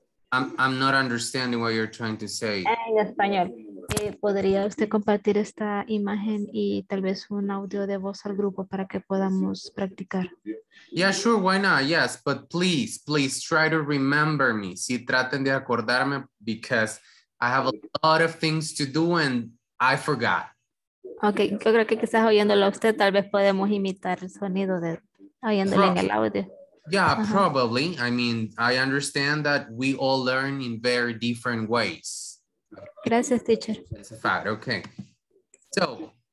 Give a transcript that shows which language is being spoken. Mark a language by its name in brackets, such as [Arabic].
[English] I'm not understanding what you're trying to say. [Spanish] En español. ¿Podría usted compartir esta imagen y tal vez un audio de voz al grupo para que podamos practicar? [English] Yeah, sure, why not? Yes, but please, please try to remember me. [Spanish] Si traten de acordarme, [English] because I have a lot of things to do and I forgot. [Spanish] Okay, yo creo que quizás oyéndolo a usted, tal vez podemos imitar el sonido de oyéndole en el audio. [English] Yeah, probably. I mean, I understand that we all learn in very different ways. [Spanish] Gracias, teacher. [English] That's a fact. Okay. So,